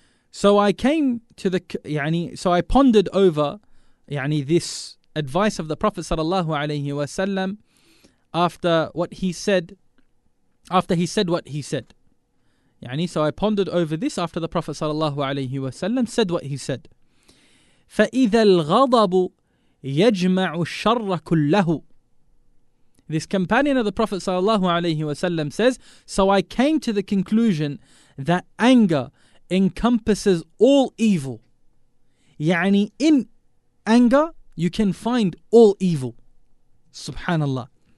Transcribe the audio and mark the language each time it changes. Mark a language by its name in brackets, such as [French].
[English] So I came to the, يعني, so I pondered over, يعني, this advice of the Prophet [Arabic] صلى الله عليه وسلم [English] after what he said, after he said what he said. يعني, so I pondered over this after the Prophet [Arabic] صلى الله عليه وسلم [English] said what he said. [Arabic] فإذا الغضب يجمع الشر كله. [English] This companion of the Prophet sallallahu alayhi wasallam says, so I came to the conclusion that anger encompasses all evil. يعني in anger you can find all evil. Subhanallah.